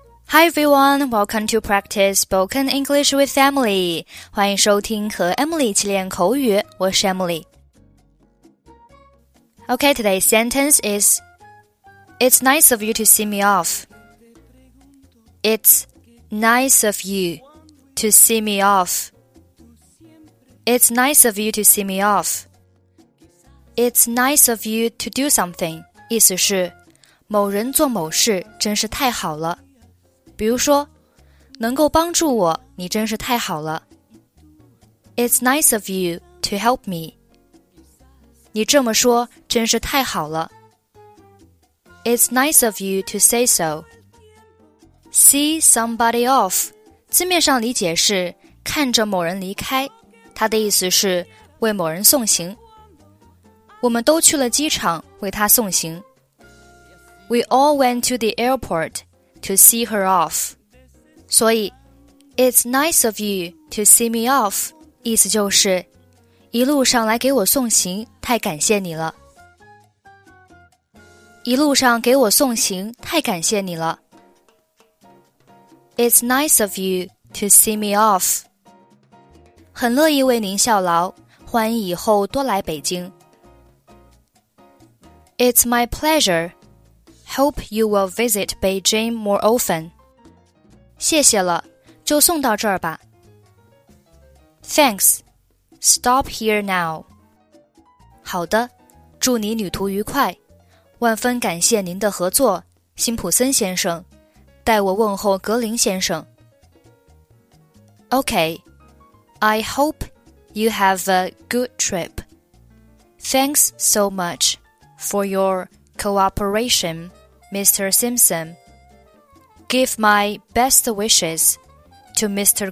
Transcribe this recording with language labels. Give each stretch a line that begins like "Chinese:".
English: Hi everyone, welcome to Practice Spoken English with Emily.
Chinese: 欢迎收听和 Emily 一起练口语，我是 Emily.
English: Okay, today's sentence is, It's nice of you to see me off. It's nice of you to see me off. It's nice of you to see me off. It's nice of you to do something.
Chinese: 意思是，某人做某事真是太好了。比如说，能够帮助我，你真是太好了。
English: It's nice of you to help me.
Chinese: 你这么说真是太好了。
English: It's nice of you to say so. See somebody off.
Chinese: 字面上理解是看着某人离开，它的意思是为某人送行。我们都去了机场为他送行。
English: We all went to the airport. To see her off. 所以 It's nice of you to see me off.
Chinese: 意思就是一路上来给我送行太感谢你了。一路上给我送行太感谢你了。
English: It's nice of you to see me off.
Chinese: 很乐意为您效劳，欢迎以后多来北京。
English: It's my pleasure. Hope you will visit Beijing more often.
Chinese: 谢谢了，就送到这儿吧。
English: Thanks. Stop here now.
Chinese: 好的，祝你旅途愉快。万分感谢您的合作，辛普森先生。代我问候格林先生。Okay.
English: I hope you have a good trip. Thanks so much for your cooperation. Mr. Simpson, give my best wishes to Mr.